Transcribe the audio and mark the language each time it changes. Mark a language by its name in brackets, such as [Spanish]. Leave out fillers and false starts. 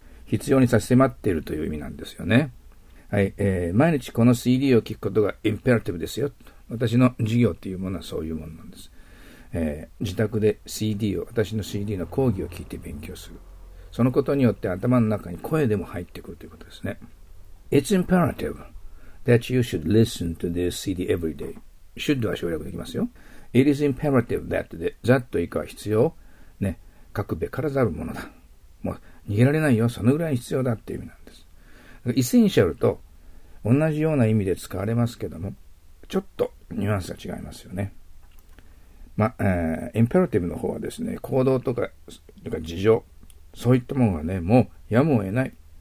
[Japanese] 必要にさせ迫っているという意味なんですよね。はい。毎日この CD を聴くことが imperative ですよ。私の授業っていうものはそういうものなんです。自宅で CD を、私の CD の講義を聞いて勉強する。そのことによって頭の中に声でも入ってくるということですね。 [English] It's imperative that you should listen to this CD every day. [Japanese] Should は省略できますよ。 [English] It is imperative that the, [Japanese] that 以下は必要。ね、書くべからざるものだ。もう逃げられないよ。そのぐらい必要だっていう意味なんです。 Essential と同じような意味で使われますけども、ちょっとニュアンスが違いますよね。まあ、imperative の方はですね、行動とか、とか事情、そういったものはね、もうやむを得ない。